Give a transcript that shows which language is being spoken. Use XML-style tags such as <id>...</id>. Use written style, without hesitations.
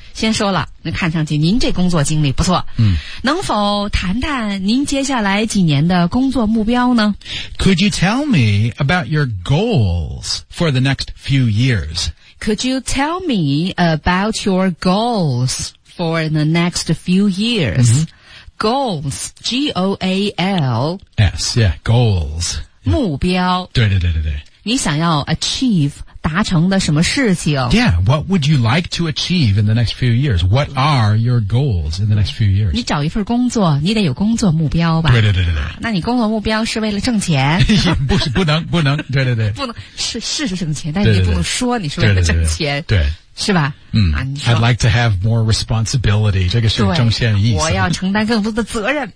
<zh>先说了，那看上去您这工作经历不错。能否谈谈您接下来几年的工作目标呢？</zh> <en>Could you tell me about your goals for the next few years? Could you tell me about your goals for the next few years? Goals, G-O-A-L-S, yeah, goals.</en> <zh>目标。对对对对对。你想要 achieve达成的什么事情</zh> <en>Yeah, what would you like to achieve in the next few years? What are your goals in the next few years?</en> <zh>你找一份工作你得有工作目标吧对对对对对。那你工作目标是为了挣钱不能对对对。不能是挣钱但是你不能说你是为了挺钱。对, 对, 对, 对, 对。是吧</zh> <en>I'd like to have more responsibility,</en> <zh>这个是中线的意思。我要承担更多的责任</zh>